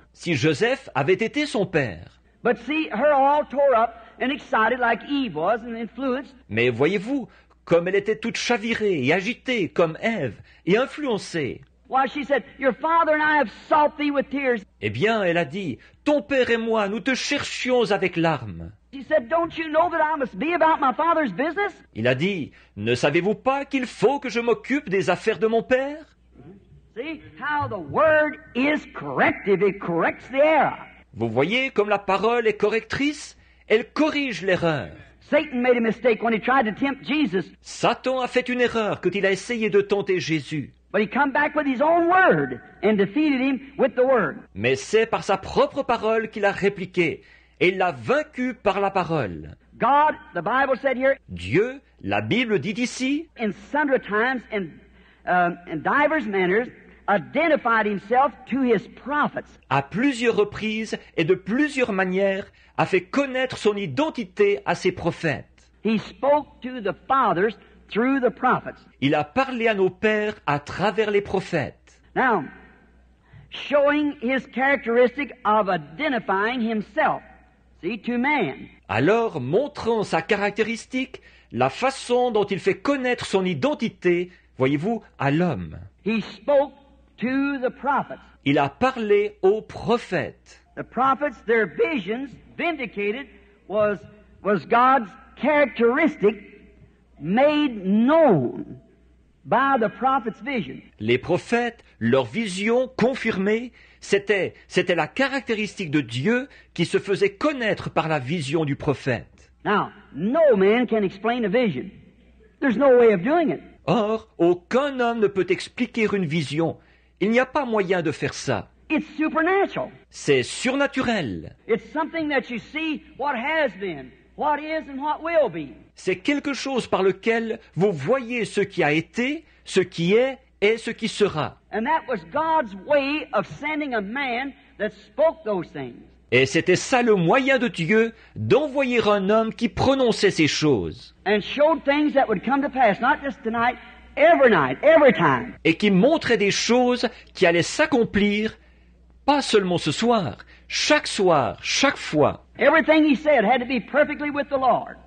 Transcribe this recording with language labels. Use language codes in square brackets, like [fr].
[fr] Si Joseph avait été son père. [en] But see, her all tore up and excited like Eve was and influenced. [fr] Mais voyez-vous, comme elle était toute chavirée et agitée comme Ève et influencée. [en] Why, she said, your father and I have sought thee with tears. [fr] Eh bien, elle a dit, ton père et moi, nous te cherchions avec larmes. [en] She said, don't you know that I must be about my father's business? [fr] Il a dit, ne savez-vous pas qu'il faut que je m'occupe des affaires de mon père? [en] See how the word is corrective, it corrects the error. [fr] Vous voyez comme la parole est correctrice, elle corrige l'erreur. [en] Satan made a mistake when he tried to tempt Jesus. [fr] Satan a fait une erreur quand il a essayé de tenter Jésus. [en] But he came back with his own word and defeated him with the word. [fr] Mais c'est par sa propre parole qu'il a répliqué et l'a vaincu par la parole. [en] God, the Bible said here. [fr] Dieu, la Bible dit ici. [en] In sundry times and in divers manners. Identified himself to his prophets. [fr] À plusieurs reprises et de plusieurs manières, a fait connaître son identité à ses prophètes. [en] He spoke to the fathers through the prophets. [fr] Il a parlé à nos pères à travers les prophètes. [en] Now, showing his characteristic of identifying himself, see, to man. [fr] Alors, montrant sa caractéristique, la façon dont il fait connaître son identité, voyez-vous, à l'homme. [en] He spoke to the prophets. [fr] Il a parlé aux prophètes. [en] The prophets, their visions vindicated was God's characteristic made known. by the prophet's vision. [fr] Les prophètes, leur vision confirmée, c'était la caractéristique de Dieu qui se faisait connaître par la vision du prophète. [en] Now, no man can explain a vision. There's no way of doing it. [fr] Or, aucun homme ne peut expliquer une vision. Il n'y a pas moyen de faire ça. [en] It's supernatural. [fr] C'est surnaturel. [en] It's something that you see what has been, what is and what will be. [fr] C'est quelque chose par lequel vous voyez ce qui a été, ce qui est et ce qui sera. [en] And that was God's way of sending a man that spoke those things. [fr] Et c'était ça le moyen de Dieu d'envoyer un homme qui prononçait ces choses. [en] And showed things that would come to pass, not just tonight, every night, every time. [fr] Et qui montrait des choses qui allaient s'accomplir, pas seulement ce soir, chaque fois. [en] Everything he said had to be perfectly with the Lord.